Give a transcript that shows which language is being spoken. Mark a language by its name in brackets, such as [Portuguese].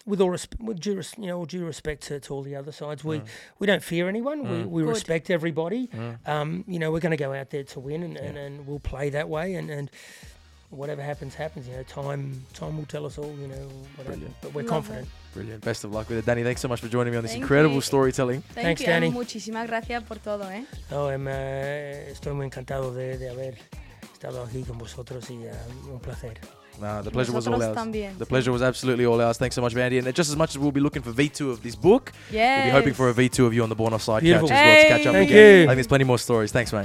[English] With all due respect to all the other sides, we don't fear anyone. Mm. We respect everybody. Mm. You know, we're going to go out there to win and we'll play that way. And whatever happens, happens. You know, time will tell us all, you know, whatever. Brilliant. But we're confident. Brilliant. Best of luck with it. Danny, thanks so much for joining me on this incredible storytelling. Thanks, Danny. [Spanish] Muchísimas gracias por todo, eh. No, estoy muy encantado de haber estado aquí con vosotros y un placer. [English] The pleasure was all ours. [Spanish] También. [English] The pleasure was absolutely all ours. Thanks so much, Vandy. And just as much as we'll be looking for V2 of this book, we'll be hoping for a V2 of you on the Born Offside couch as well to catch up again. I think there's plenty more stories. Thanks, mate.